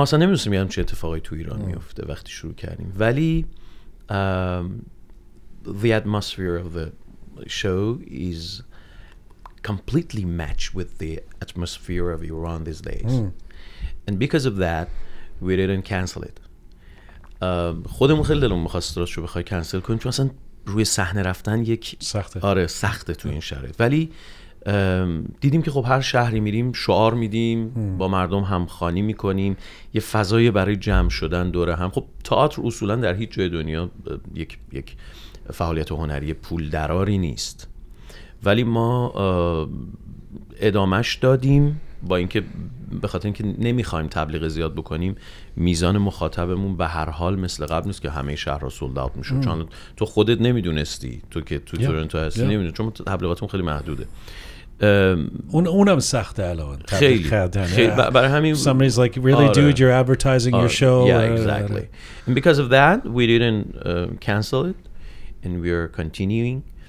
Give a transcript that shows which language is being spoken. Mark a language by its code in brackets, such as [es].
[fa] اصلا نمیدونستیم یعنی چه اتفاقی تو ایران میفته وقتی شروع کردیم، ولی [en] the atmosphere of the show is completely matched with the atmosphere of Iran these days. And because of that, we didn't cancel it. [fa] خودمون خیلی دلمون می‌خواست راست رو بخوای کنسل کنیم، چون اصلا روی صحنه رفتن یک سخته. آره سخته تو این شرایط. ولی دیدیم که خب هر شهری میریم شعار میدیم، با مردم همخوانی میکنیم، یه فضای برای جمع شدن دوره هم. خب تئاتر اصولا در هیچ جای دنیا یک فعالیت هنری پول دراری نیست، ولی ما ادامهش دادیم با اینکه به خاطر اینکه نمیخوایم تبلیغ زیاد بکنیم، میزان مخاطبمون به هر حال مثل قبل نیست که همه شهر را سولد اوت میشه. چون تو خودت نمیدونستی، تو که تو تورنتو هستی نمیدونی، چون تبلیغاتمون خیلی محدوده. اونم سخته الان خیلی کردن. برای همین [en] somebody's like really dude you're advertising your show. Yeah, exactly. And because of that we didn't cancel it and we are continuing.